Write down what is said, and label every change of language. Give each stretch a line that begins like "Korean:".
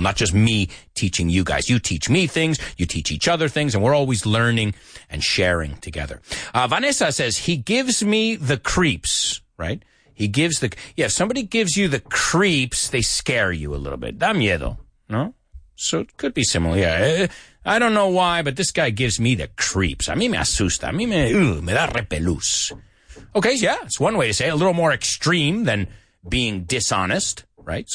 English: Not just me teaching you guys. You teach me things, you teach each other things, and we're always learning and sharing together. Vanessa says, he gives me the creeps, right? He gives the, yeah, if somebody gives you the creeps, they scare you a little bit.
Spanish: Da miedo, no?
English: So it could be similar. Yeah, I don't know why, but this guy gives me the creeps.
Spanish: A mí me asusta, a mí me da repelús.
English: Okay, yeah, it's one way to say it. A little more extreme than being dishonest, right?